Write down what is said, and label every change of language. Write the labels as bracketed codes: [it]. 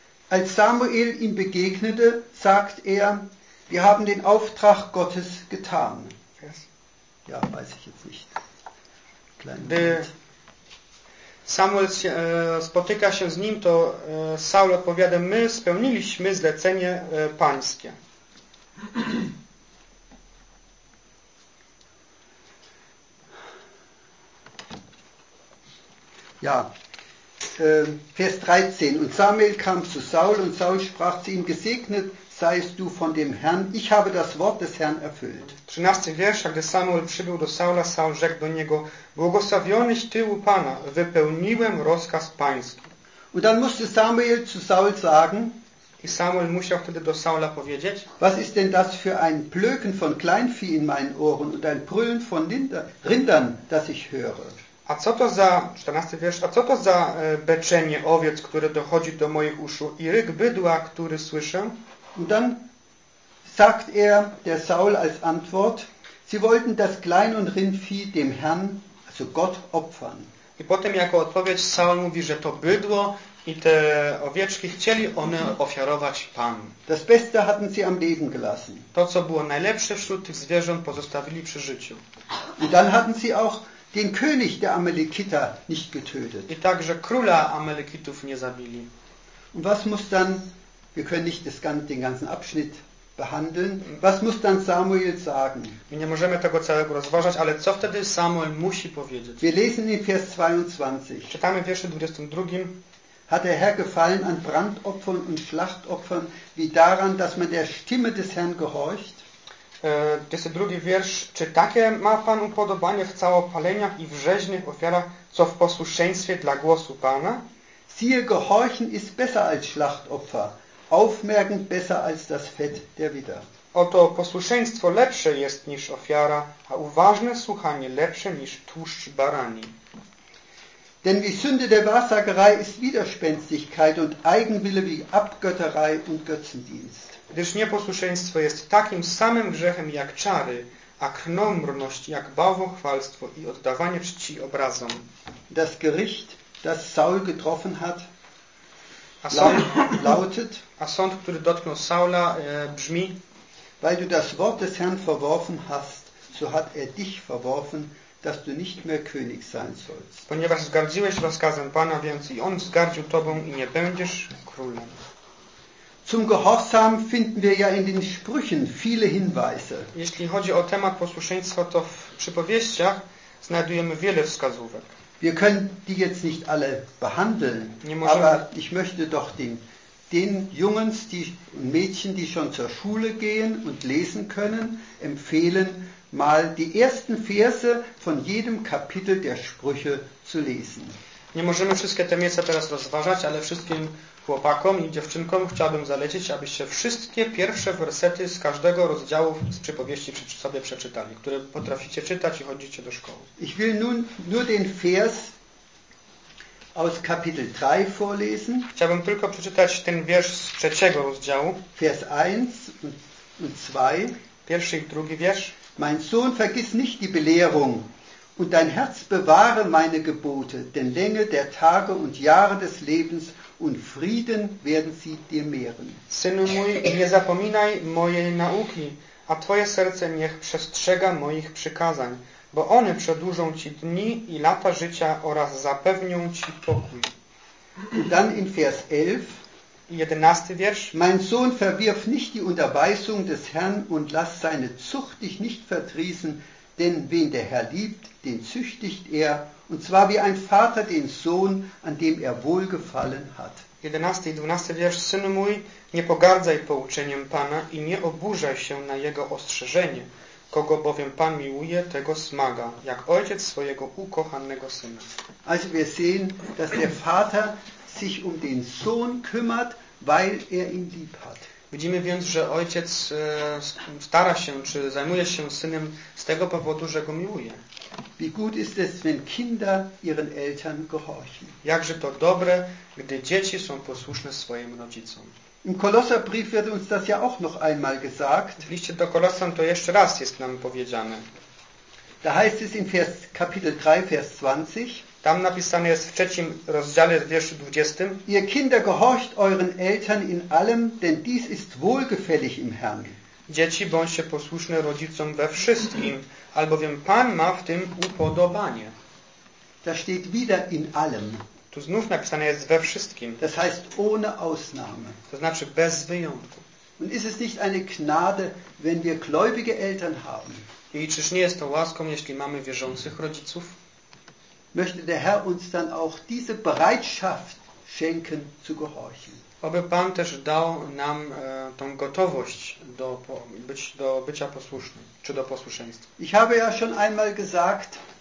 [de] Als Samuel ihm begegnete, sagt er: Wir haben den Auftrag Gottes getan. Ja, weiß ich jetzt nicht. [pl] Samuel spotyka się z nim, to Saul odpowiada: My spełniliśmy zlecenie pańskie. [de] Ja, Vers 13. Und Samuel kam zu Saul und Saul sprach zu ihm: Gesegnet seist du von dem Herrn, ich habe das Wort des Herrn erfüllt. [pl] 13. wiersz, gdy Samuel przybył do Saula, Saul rzekł do niego: Błogosławionyś ty u Pana, wypełniłem rozkaz Pański. [de] Und dann musste Samuel zu Saul sagen, [pl] i Samuel musiał wtedy do Saula powiedzieć: [de] Was ist denn das für ein Blöken von Kleinvieh in meinen Ohren und ein Brüllen von Rindern, das ich höre? [pl] A co to za, 14. wiersz, a co to za beczenie owiec, które dochodzi do moich uszu i ryk bydła, który słyszę? [de] Und dann sagt er der Saul als Antwort, sie wollten das Klein- und Rindvieh dem Herrn, also Gott, opfern. [pl] I potem jako odpowiedź Saul mówi, że to bydło i te owieczki chcieli one ofiarować Panu. [de] Das Beste hatten sie am Leben gelassen. [pl] To, co było najlepsze wśród tych zwierząt, pozostawili przy życiu. [de] I dann hatten sie auch den König der Amalekiter nicht getötet. [pl] I także króla Amalekitów nie zabili. [de] Und was muss dann, wir können nicht das ganze, den ganzen Abschnitt behandeln, was muss dann Samuel sagen? [pl] My nie możemy tego całego rozważać, ale co wtedy Samuel musi powiedzieć? [de] Wir lesen in Vers 22. [pl] Czytamy w wierszu 22. [de] Hat der Herr gefallen an Brandopfern und Schlachtopfern, wie daran, dass man der Stimme des Herrn gehorcht? [pl] 22 wiersz, czy takie ma Pan upodobanie w całopaleniach i w rzeźnych ofiarach, co w posłuszeństwie dla głosu Pana? [de] Siehe, gehorchen ist besser als Schlachtopfer, aufmerken besser als das Fett der Widder. [pl] Oto posłuszeństwo lepsze jest niż ofiara, a uważne słuchanie lepsze niż tłuszcz barani. [de] Denn wie Sünde der Wahrsagerei ist Widerspenstigkeit und Eigenwille wie Abgötterei und Götzendienst. [pl] Gdyż nieposłuszeństwo jest takim samym grzechem jak czary, a krnąbrność jak bałwochwalstwo i oddawanie czci obrazom. [de] Das Gericht, das Saul getroffen hat, [pl] a sąd, lautet, a sąd, który dotknął Saula, brzmi, [de] weil du das Wort des Herrn verworfen hast, so hat er dich verworfen, dass du nicht mehr König sein sollst. [pl] Ponieważ zgardziłeś rozkazem Pana, więc i on zgardził tobą i nie będziesz królem. [de] Zum Gehorsam finden wir ja in den Sprüchen viele Hinweise. [pl] Jeśli chodzi o temat posłuszeństwa, to w przypowieściach znajdujemy wiele wskazówek. [de] Wir können die jetzt nicht alle behandeln, aber ich möchte doch den Jungens, die Mädchen, die schon zur Schule gehen und lesen können, empfehlen, mal die ersten Verse von jedem Kapitel der Sprüche zu lesen. [pl] Nie możemy wszystkie te miejsca teraz rozważać, ale wszystkim chłopakom i dziewczynkom chciałbym zalecić, abyście wszystkie pierwsze wersety z każdego rozdziału z przypowieści sobie przeczytali, które potraficie czytać i chodzicie do szkoły. [de] Ich will nur den Vers aus Kapitel 3 vorlesen. [pl] Chciałbym tylko przeczytać ten wiersz z trzeciego rozdziału. [de] Vers 1 und 2. [pl] Pierwszy i drugi wiersz. [de] Mein Sohn, vergiss nicht die Belehrung. Und dein Herz bewahre meine Gebote, denn Länge der Tage und Jahre des Lebens und Frieden werden sie dir mehren. [pl] Synu mój, nie zapominaj mojej nauki, a twoje serce niech przestrzega moich przykazań, bo one przedłużą ci dni i lata życia oraz zapewnią ci pokój. [de] Und dann in Vers 11. [pl] 11. wiersz. [de] Mein Sohn, verwirf nicht die Unterweisung des Herrn und lass seine Zucht dich nicht verdrießen, denn wen der Herr liebt, den züchtigt er, und zwar wie ein Vater den Sohn, an dem er wohlgefallen hat. [pl] 11 i 12 wiersz. Synu mój, nie pogardzaj pouczeniem Pana i nie oburzaj się na jego ostrzeżenie. Kogo bowiem Pan miłuje, tego smaga, jak ojciec swojego ukochanego syna. [de] Also wir sehen, dass der Vater sich um den Sohn kümmert, weil er ihn lieb hat. [pl] Widzimy więc, że ojciec stara się, czy zajmuje się synem z tego powodu, że go miłuje. [de] Wie gut ist es, wenn Kinder ihren Eltern gehorchen. [pl] Jakże to dobre, gdy dzieci są posłuszne swoim rodzicom. [de] Im Kolosserbrief wird uns das ja auch noch einmal gesagt. [pl] W liście do Kolosan to jeszcze raz jest nam powiedziane. [de] Da heißt es in Vers, Kapitel 3, Vers 20. [pl] Tam napisane jest w trzecim rozdziale w wierszu 20. [de] Ihr Kinder gehorcht euren Eltern in allem, denn dies ist wohlgefällig im Herrn. [pl] Dzieci, bądźcie posłuszne rodzicom we wszystkim, albowiem Pan ma w tym upodobanie. [de] Da steht wieder in allem. [pl] Tu znów napisane jest we wszystkim. [de] Das heißt ohne Ausnahme. [pl] To znaczy bez wyjątku. [de] Und ist es nicht eine Gnade, wenn wir gläubige Eltern haben? [pl] I czyż nie jest to łaską, jeśli mamy wierzących rodziców? [de] Möchte der Herr uns dann auch diese Bereitschaft schenken zu gehorchen. [pl] Oby Pan też dał nam tą gotowość do bycia posłusznym, czy do posłuszeństwa. [de] Ich habe ja schon einmal gesagt,